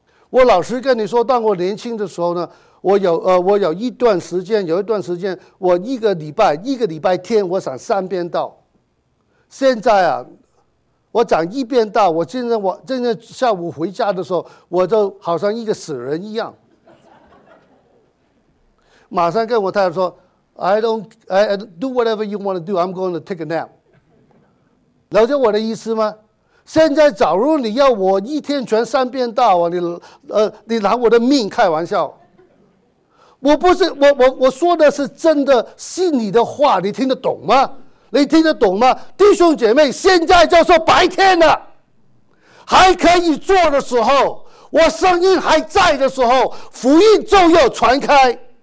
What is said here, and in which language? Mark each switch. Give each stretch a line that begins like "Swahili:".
Chinese: 我老实跟你说，当我年轻的时候呢，我有一段时间，我一个礼拜天我讲3遍道。现在啊，我讲1遍道，我今天下午回家的时候，我就好像一个死人一样。马上跟我太太说
English: I do whatever you want to do, I'm going to take a nap.
Chinese: 了解我的意思吗？现在假如你要我一天传3遍道、啊、你拿我的命开玩笑。我不是 我说的是真的，信你的话，你听得懂吗？你听得懂吗？弟兄姐妹，现在就是白天了，还可以做的时候，我声音还在的时候，福音就要传开。